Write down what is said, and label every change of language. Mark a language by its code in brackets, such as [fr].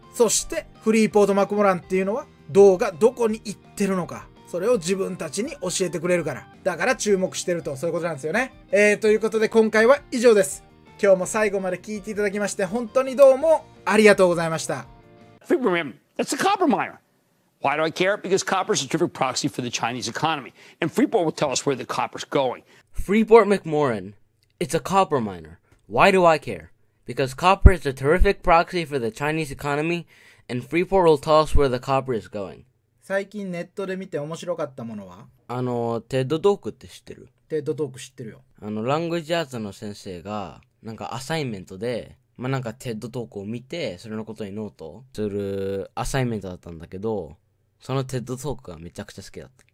[ja] そして、フリーポート・マクムランっていうのは、銅がどこに行ってるのか、それを自分たちに教えてくれるから。だから注目してると、そういうことなんですよね。ということで今回は以上です。今日も最後まで聞いていただきまして、本当にどうもありがとうございました。 [en] That's a copper miner. Why do I care? Because copper is a terrific proxy for the Chinese economy. And Freeport will tell us where the copper's going. Freeport McMoRan, it's a copper miner. Why do I care? Because copper is a terrific proxy for the Chinese economy. And Freeport will tell us where the copper is going. [ja] 最近ネットで見て面白かったものは？テッドトークって知ってる？テッドトーク知ってるよ。ラングジアーズの先生が、なんかアサイメントで、まあなんかテッドトークを見て、それのことにノートするアサイメントだったんだけど、そのテッドトークがめちゃくちゃ好きだった。